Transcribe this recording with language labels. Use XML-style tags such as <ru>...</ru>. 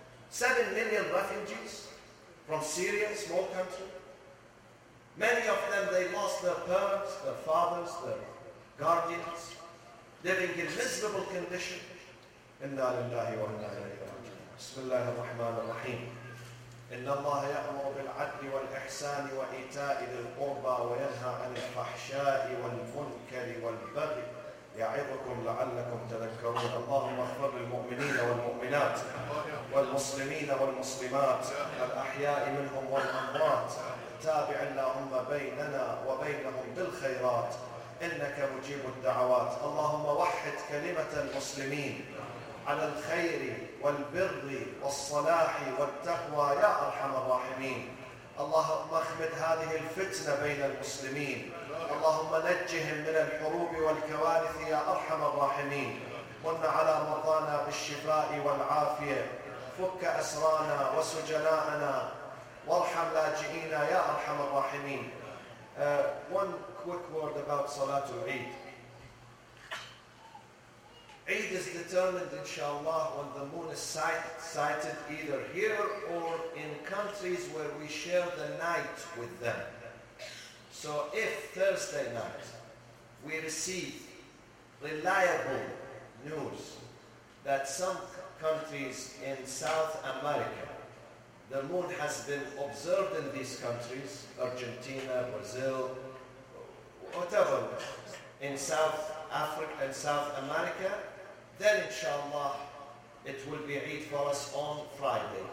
<en>7 million refugees from Syria, small country. Many of them, they lost their parents, their fathers, their guardians, living in miserable condition.</en> <ar>إِنَّا لِلَّهِ وَإِنَّا إِلَيْهِ رَاجِعُونَ. بسم الله الرحمن الرحيم. إن الله يأمر بالعدل والإحسان وإيتاء ذي القربى وينهى عن الفحشاء والمنكر والبغي يعظكم لعلكم تذكرون. اللهم اغفر للمؤمنين والمؤمنات والمسلمين والمسلمات الأحياء منهم والأموات, تابع اللهم بيننا وبينهم بالخيرات, إنك مجيب الدعوات. اللهم وحد كلمة المسلمين على الخير والبر والصلاح والتقوى يا أرحم الراحمين. اللهم اخمد هذه الفتنة بين المسلمين. اللهم نجهم من الحروب والكوارث يا أرحم الراحمين. من على مرضانا بالشفاء والعافية, فك أسرانا وسجناءنا, وارحم لاجئينا يا أرحم الراحمين.</ar> <en>One quick word about</en> <ar>صلاة العيد.</ar> <en>Eid is determined, inshallah, when the moon is sighted either here or in countries where we share the night with them. So if Thursday night we receive reliable news that some countries in South America, the moon has been observed in these countries, Argentina, Brazil, whatever, in South Africa and South America, then inshallah it will be Eid for us on Friday.</en>